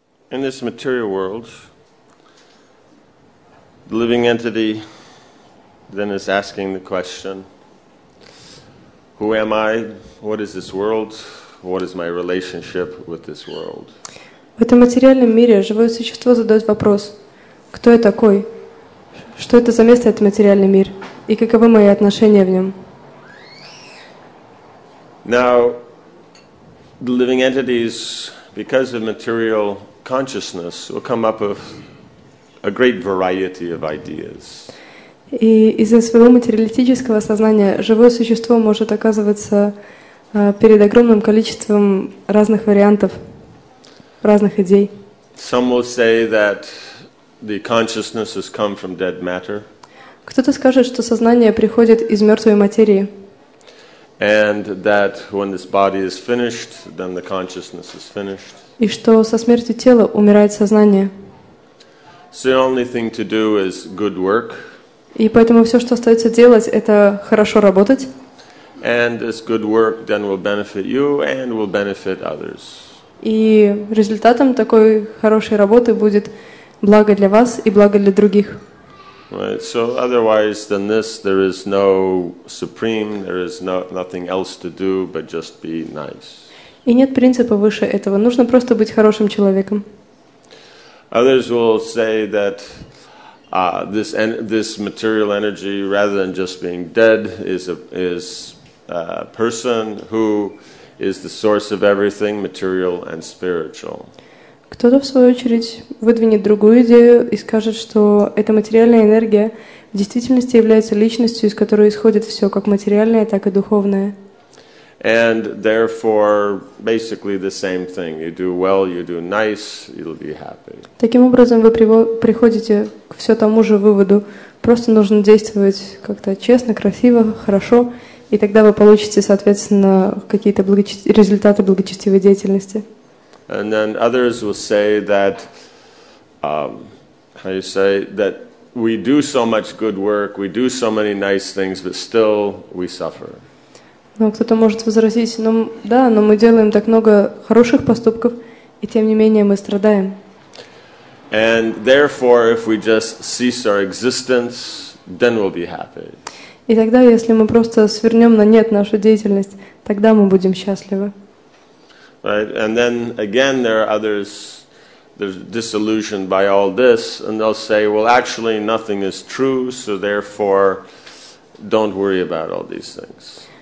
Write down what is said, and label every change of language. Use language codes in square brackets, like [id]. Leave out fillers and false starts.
[en] In this material world, the living entity then is asking the question, who am I? What is this world? What is my relationship with this world? [ru] В этом материальном мире живое существо задает вопрос, кто я такой? Что это за место, этот материальный мир? И каковы мои отношения в нем? [en] Now, the living entities, because of material consciousness, will come up with a great variety of ideas. [ru] И из-за своего материалистического сознания живое существо может оказываться перед огромным количеством разных вариантов, разных идей. [en] Some will say that the consciousness has come from dead matter. [ru] Кто-то скажет, что сознание приходит из мертвой материи. [en] And that when this body is finished, then the consciousness is finished. [ru] И что со смертью тела умирает сознание. [en] So the only thing to do is good work. [ru] И поэтому все, что остается делать, это хорошо работать. [en] And this good work then will benefit you and will benefit others. [ru] И результатом такой хорошей работы будет благо для вас и благо для других. [en] Right. So otherwise than this, there is no supreme, there is nothing else to do but just be nice. [ru] И нет принципа выше этого. Нужно просто быть хорошим человеком. [en] Others will say that this material energy, rather than just being dead, is a person who is the source of everything, material and spiritual. [ru] Кто-то в свою очередь выдвинет другую идею и скажет, что эта материальная энергия в действительности является личностью, из которой исходит все, как материальное, так и духовное. [en] And therefore, basically the same thing. You do well, you do nice, you'll be happy. [ru] Таким образом, вы приходите к все тому же выводу. Просто нужно действовать как-то честно, красиво, хорошо, и тогда вы получите, соответственно, какие-то результаты благочестивой деятельности. [en] And then others will say that, how you say, that we do so much good work, we do so many nice things, but still we suffer. [ru] Но кто-то может возразить, ну да, но мы делаем так много хороших поступков, и тем не менее мы страдаем. [en] And therefore, if we just cease our existence, then we'll be happy. [ru] И тогда, если мы просто свернем на нет нашу деятельность, тогда мы будем счастливы. [en] Right, and then again, there are others that are disillusioned by all this, and they'll say, well, actually, nothing is true, so therefore, don't worry about all these things.